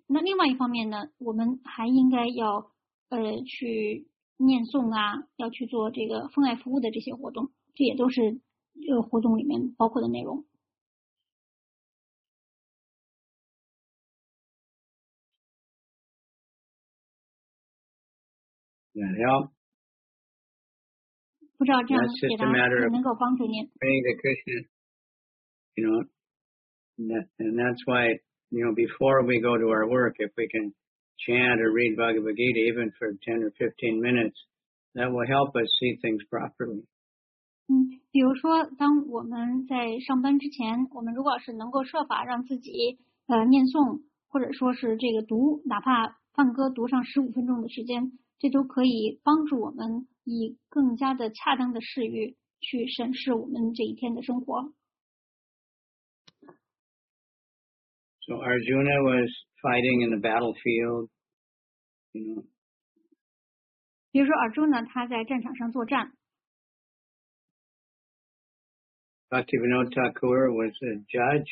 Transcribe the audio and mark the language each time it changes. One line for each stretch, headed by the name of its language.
Chinese: 那另外一方面呢，我们还应该要去念诵啊，要去做这个奉爱服务的这些活动，这也都是这个活动里面包括的内容。
English: Yeah, yeah.
Chinese: 不知道这样解答能够帮助您。
English: You know, and that's why, you know, before we go to our work, if we can chant or read Bhagavad Gita, even for 10 or 15 minutes, that will help us see things properly.
Chinese: 比如说当我们在上班之前，我们如果是能够设法让自己念诵，或者说是这个读，哪怕梵歌读上15分钟的时间，这都可以帮助我们以更加的恰当的视域去审视我们这一天的生活。
English: So Arjuna was fighting in the battlefield, you know.
Chinese: 比如说 Arjuna 他在战场上作战。
English: Bhaktivinoda Thakur was a judge.